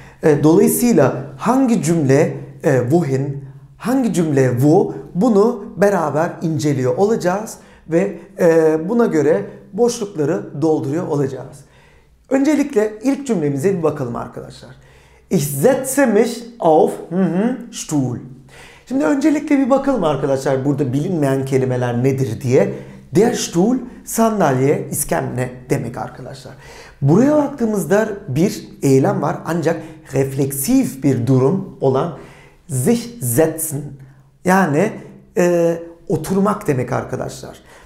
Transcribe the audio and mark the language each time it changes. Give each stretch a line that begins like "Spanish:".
Turkish: Dolayısıyla hangi cümle wohin, hangi cümle wo, bunu beraber inceliyor olacağız ve buna göre boşlukları dolduruyor olacağız. Öncelikle ilk cümlemize bir bakalım arkadaşlar.
German: Ich setze mich auf Stuhl.
Turkish: Şimdi öncelikle bir bakalım arkadaşlar burada bilinmeyen kelimeler nedir diye. Der Stuhl, sandalye, iskemle demek arkadaşlar. Buraya baktığımızda bir eylem var ancak refleksif bir durum olan sich setzen, yani oturmak demek arkadaşlar.